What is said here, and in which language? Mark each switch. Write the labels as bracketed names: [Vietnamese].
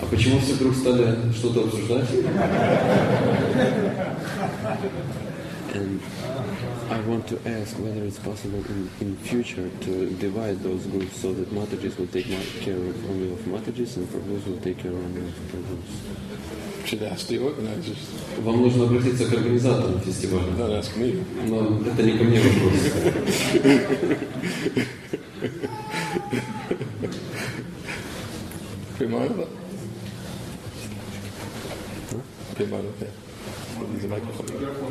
[Russian] А почему все вдруг стали что-то обсуждать? [English] And I want to ask whether it's possible in future to divide those groups so that Matajis will take care of only of Matajis and Prabhus will take care only of Prabhus. Should ask the organizers. [Russian] Вам нужно обратиться к организаторам фестиваля. [English] Not ask me. [Russian] Но это не ко мне вопрос. Примарова? Примарова, да.